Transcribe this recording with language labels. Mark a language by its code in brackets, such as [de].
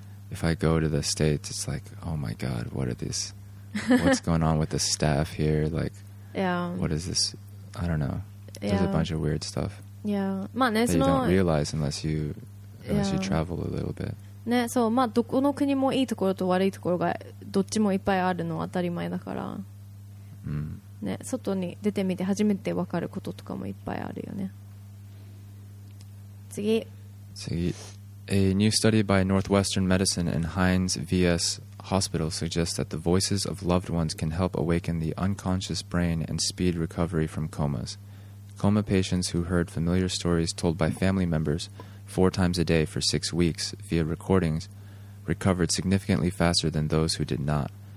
[en] If I go to the States, it's like, oh my God, what are these? What's going on with the staff here? Like, yeah. What is this? I don't know. There's a bunch of weird stuff. Yeah, [ja] まあね、 [en] that you don't realize unless you travel a little bit. [ja] ね、そう、まあどこの国もいいところと悪いところがどっちもいっぱいあるのは当たり前だから。ね、外に出てみて初めて分かることとかもいっぱいあるよね。次。 [en] A new study by Northwestern Medicine and Heinz VS Hospital suggests that the voices of loved ones can help awaken the unconscious brain and speed recovery from comas. Coma patients who heard familiar stories told by family members 4 times a day for 6 weeks via recordings recovered significantly faster than those who did not.